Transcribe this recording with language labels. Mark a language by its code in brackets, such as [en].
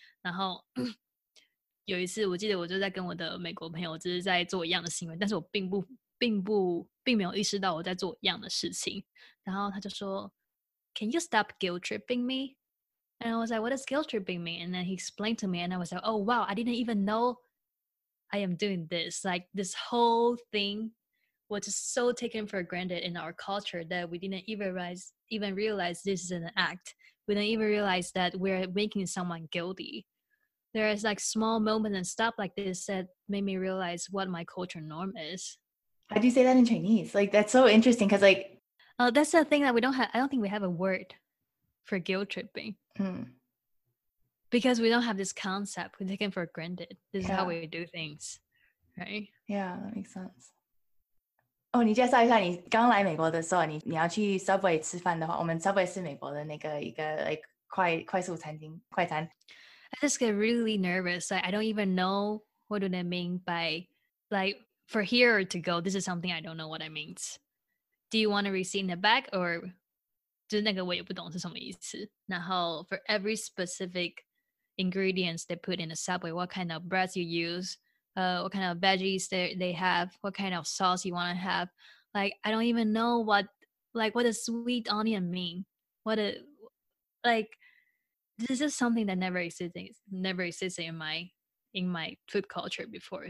[zh] 然后有一次我记得我就在跟我的美国朋友就是在做一样的行为，但是我并没有意识到我在做一样的事情。然后他就说， [en] Can you stop guilt tripping me? And I was like, what is guilt tripping me? And then he explained to me, and I was like, oh wow, I didn't even know I am doing this. Like, this whole thing was just so taken for granted in our culture that we didn't even realize this is an act. We didn't even realize that we're making someone guilty. There is like small moments and stuff like this that made me realize what my culture norm is. How do you say that in Chinese? Like, that's so interesting, because like, That's the thing that we don't have. I don't think we have a word for guilt tripping. Because we don't have this concept. We take it for granted. This is how we do things, right? Yeah, that makes sense. [zh] Oh, 你介绍一下，你刚来美国的时候，你要去 Subway 吃饭的话，我们 Subway 是美国的那个一个 like 快速餐厅快餐。 [en] I just get really nervous. Like, I don't even know what do they mean by like for here or to go. This is something I don't know what it means. do you want to receive in the back? [zh] Or 就是那个我也不懂是什么意思。 [en] 然后 for every specific ingredients they put in the Subway, what kind of bread you use, what kind of veggies they have, what kind of sauce you want to have. Like, I don't even know what, like, what does sweet onion mean? What a, like, this is something that never existed in my food culture before.